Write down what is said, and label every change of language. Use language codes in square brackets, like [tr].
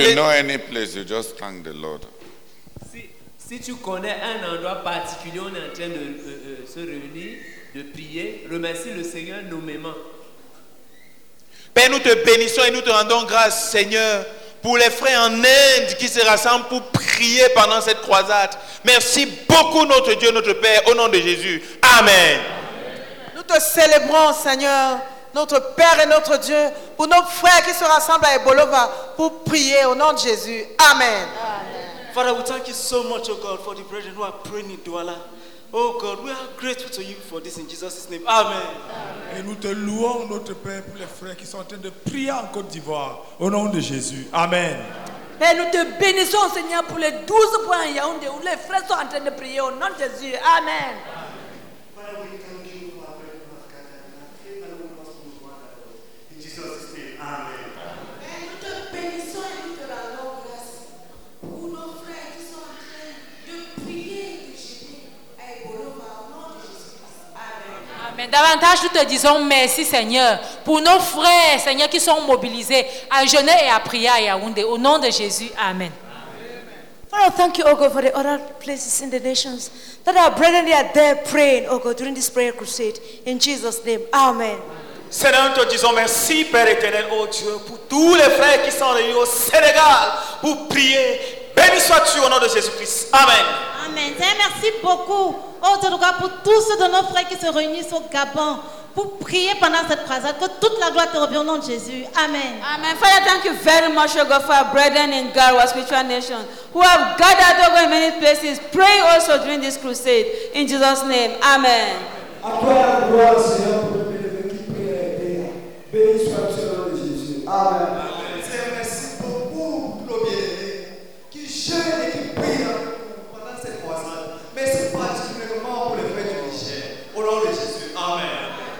[en] If you know any place, you just thank the Lord. [fr] Si tu connais un endroit particulier où on est en train de se réunir, de prier, remercie le Seigneur nommément. Père, nous te bénissons et nous te rendons grâce, Seigneur, pour les frères en Inde qui se rassemblent pour prier pendant cette croisade. Merci beaucoup, notre Dieu, notre Père, au nom de Jésus. Amen. Nous te célébrons, Seigneur, notre Père et notre Dieu, pour nos frères qui se rassemblent à Ebolova pour prier au nom de Jésus. Amen. Amen. [en] Father, we thank you so much, oh God, for the brethren who are praying in Douala. Oh God, we are grateful to you for this in Jesus' name. Amen. Amen. [fr] Et nous te louons, notre Père, pour les frères qui sont en train de prier en Côte d'Ivoire, au nom de Jésus. Amen. Et nous te bénissons, Seigneur, pour les 12 points en Yaoundé où les frères sont en train de prier, au nom de Jésus. Amen. Davantage, nous te disons merci, Seigneur, pour nos frères, Seigneur, qui sont mobilisés à jeûner et à prier à Yaoundé. Au nom de Jésus, amen. Amen. [en] Father, thank you, O God, for the other places in the nations that our brethren are there praying, O God, during this prayer crusade. In Jesus' name, amen. [fr] Seigneur, nous te disons merci, Père éternel, oh Dieu, pour tous les frères qui sont réunis au Sénégal pour prier. Béni sois-tu au nom de Jésus-Christ. Amen. Amen. Seigneur, merci beaucoup. Autre droit pour tous ceux de nos frères qui se réunissent au Gabon pour prier pendant cette croisade. Que toute la gloire te revienne au nom de Jésus. Amen. Amen. [en] Father, thank you very much, O God, for our brethren in Garoua spiritual nation who have gathered over in many places. Pray also during this crusade. In Jesus' name. Amen. [fr] Après la gloire, Seigneur, pour le bénévole qui prie et aide. Béni sois-tu au nom de Jésus. Amen. Amen. Seigneur, merci beaucoup pour le bien-aimé qui jeûne et qui prie pendant cette croisade. Merci particulièrement pour le frère du Michel. Au nom de Jésus. Amen.